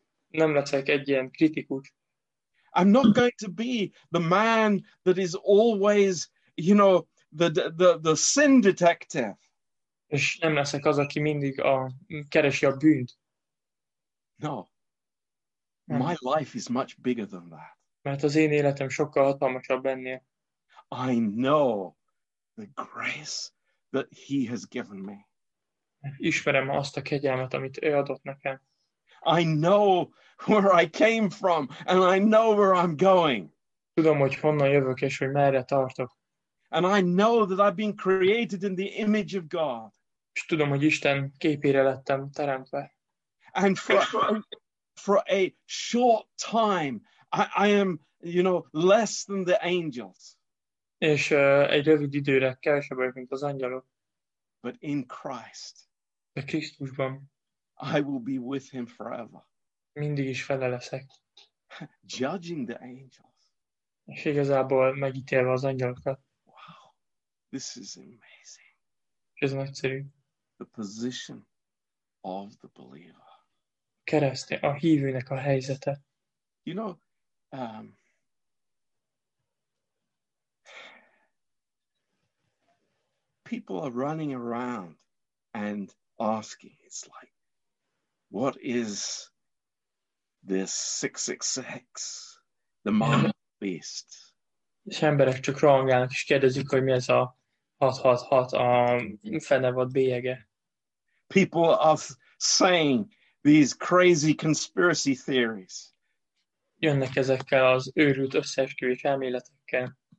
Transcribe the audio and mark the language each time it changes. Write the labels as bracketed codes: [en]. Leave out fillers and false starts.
[hu] Nem leszek egy ilyen kritikus. [en] I'm not going to be the man that is always, you know, the sin detective. [hu] És nem leszek az, aki mindig keresi a bűnt. [en] No. My life is much bigger than that. [hu] Mert az én életem sokkal hatalmasabb ennél. [en] I know the grace that he has given me. [hu] Ismerem azt a kegyelmet, amit ő adott nekem. [en] I know where I came from and I know where I'm going. [hu] Tudom, hogy honnan jövök és hogy merre tartok. [en] And I know that I've been created in the image of God. [hu] És tudom, hogy Isten képére lettem teremtve. [en] And for a short time I am, you know, less than the angels. [hu] És egy rövid időre kevesebb vagyok, mint az angyalok. [en] But in Christ. [hu] De Krisztusban. [en] I will be with him forever. [hu] Mindig is vele leszek. [en] Judging the angels. [hu] És igazából megítélve az angyalokat. [en] Wow. This is amazing. [hu] Ez nagyszerű. [en] The position of the believer. [hu] Keresztje a hívőnek a helyzete. [en] You know, people are running around and asking, it's like, what is this 666, the mark of the beast? [hu] És emberek csak rohangálnak, és kérdezik, hogy mi ez a 666, a fennevad bélyege. [en] People are saying these crazy conspiracy theories. [hu] Jönnek ezekkel az őrült összeesküvés elméletekkel.